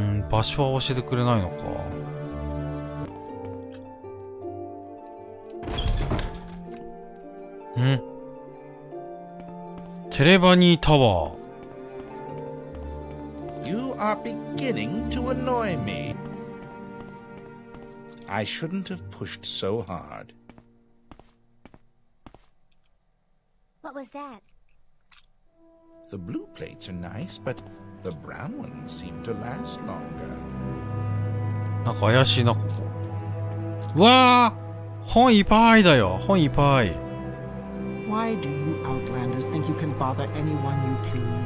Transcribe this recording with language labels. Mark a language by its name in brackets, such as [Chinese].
[Japanese] 場所は教えてくれないのか。うん、テレバニータワー。 [English] You are beginning to annoy me. I shouldn't have pushed so hard. What was that? The blue plates are nice, butThe brown one seemed to last longer. [Japanese] なんか怪しいな、ここ。うわあ、本いっぱいだよ、本いっぱい。 [English] Why do you outlanders think you can bother anyone you please?